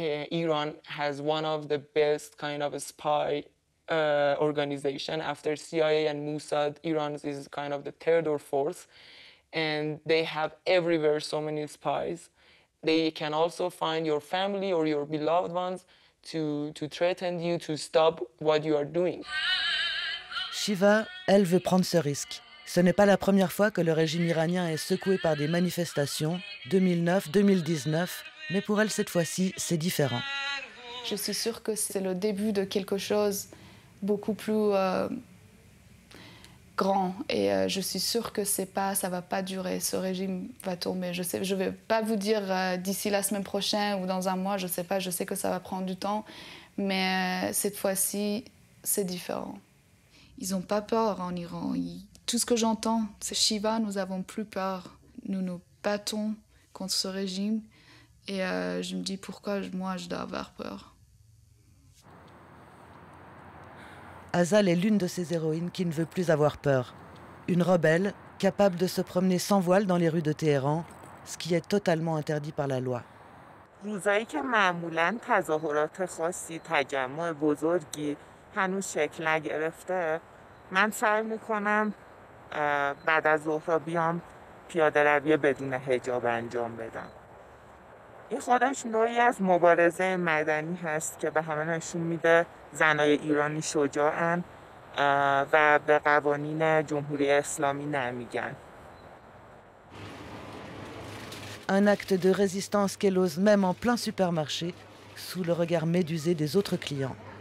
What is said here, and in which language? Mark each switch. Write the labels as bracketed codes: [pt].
[en] Iran has one of the best kind of a spy organization after CIA and Mossad. Iran is kind of the third or fourth, and they have everywhere so many spies. They can also find your family or your beloved ones to threaten you to stop what you are doing. [fr] Shiva, elle veut prendre ce risque. Ce n'est pas la première fois que le régime iranien est secoué par des manifestations. 2009, 2019. Mais pour elle, cette fois-ci, c'est différent. Je suis sûre que c'est le début de quelque chose beaucoup plus grand. Et je suis sûre que ça ne va pas durer. Ce régime va tomber. Je ne vais pas vous dire d'ici la semaine prochaine ou dans un mois. Je ne sais pas. Je sais que ça va prendre du temps. Mais cette fois-ci, c'est différent. Ils n'ont pas peur en Iran. Tout ce que j'entends, c'est Shiva, nous n'avons plus peur. Nous nous battons contre ce régime. Et je me dis pourquoi moi je dois avoir peur. Azal est l'une de ces héroïnes qui ne veut plus avoir peur. Une rebelle, capable de se promener sans voile dans les rues de Téhéran, ce qui est totalement interdit par la loi. [fa] روزایی که معمولاً تظاهرات خاصی تجمع بزرگی هنوز شکل نگرفته، من سعی میکنم بعد از ظهر بیام پیاده روی بدون حجاب انجام بدم. این خودش نوعی از مبارزه مدنی هست که به همه نشون میده زنای ایرانی شجاعن و به قوانین جمهوری اسلامی نمیگن. [fr] Un acte de résistance qu'elle ose même en plein supermarché, sous le regard médusé des autres clients.